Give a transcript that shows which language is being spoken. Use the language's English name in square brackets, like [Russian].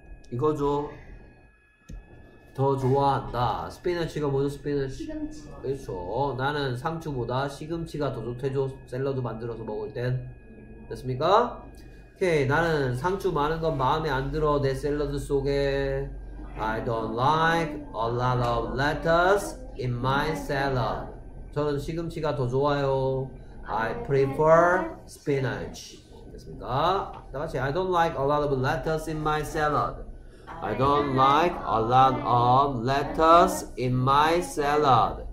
[Korean] 이거죠. 더 좋아한다. 스피너치가 뭐죠? 스피너치. 시금치. 그렇죠. 나는 상추보다 시금치가 더 좋대죠. 샐러드 만들어서 먹을 땐. 됐습니까? 오케이. 나는 상추 많은 건 마음에 안 들어. 내 샐러드 속에. [English] I don't like a lot of lettuce in my salad. [Korean] 저는 시금치가 더 좋아요. [English] I prefer spinach. [Korean] 됐습니까? 다같이. [English] I don't like a lot of lettuce in my salad. I don't like a lot of lettuce in my salad.